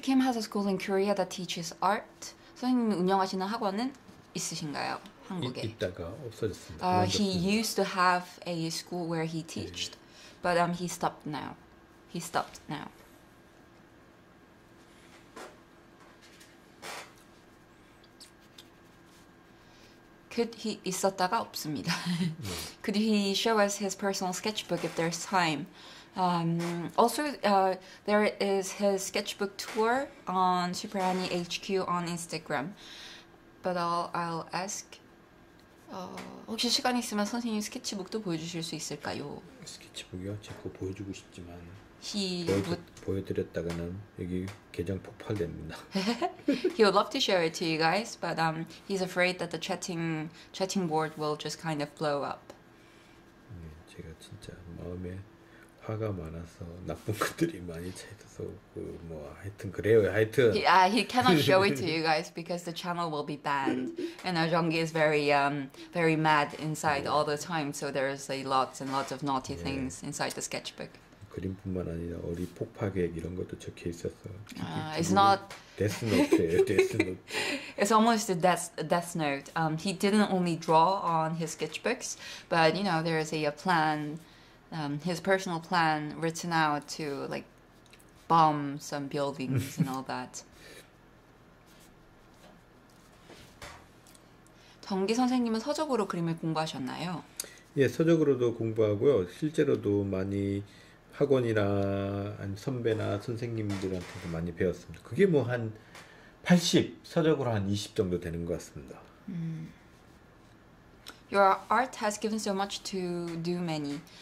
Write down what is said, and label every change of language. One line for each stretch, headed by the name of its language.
English: Kim has a school in Korea that teaches art?
Korean: 선생님 운영하시는 학원은 있으신가요? 한국에 있다가 없어졌습니다.
English: He used to have a school where he taught, 네. but he stopped now. He stopped now.
Korean: 있었다가 없습니다. 네.
English: Could he show us his personal sketchbook if there's time? Also, there is his sketchbook tour on SuperAnnie HQ on Instagram. But I'll ask.
Korean: 혹시 시간 있으면 선생님 스케치북도 보여주실 수 있을까요? 스케치북이요? 제 거 보여주고 싶지만 보여드렸다가는 여기 계정 폭발됩니다.
English: He would love to share it to you guys, but he's afraid that the chatting board will just kind of blow up.
Korean: 제가 진짜 마음에 화가 많아서 나쁜 것들이 많이 차있어서 뭐 하여튼 그래요 하여튼
English: he cannot show it to you guys because the channel will be banned and Jeonggi is very very mad inside 네. all the time so there is a lots and lots of naughty 네. things inside the sketchbook
Korean: 그림뿐만 아니라 어디 폭파계획 이런 것도 적혀 있어서
English: it's not
Korean: Death Note예요 Death Note
English: it's almost a Death Note he didn't only draw on his sketchbooks but you know there is a plan his personal plan written out to like bomb some buildings and all that.
Korean: 정기 선생님은 서적으로 그림을 공부하셨나요? 예, 서적으로도 공부하고요. 실제로도 많이 학원이나 아니 선배나 선생님들한테도 많이 배웠습니다. 그게 뭐 한 80, 서적으로 한 20 정도 되는 것 같습니다.
English: Your art has given so much to do many.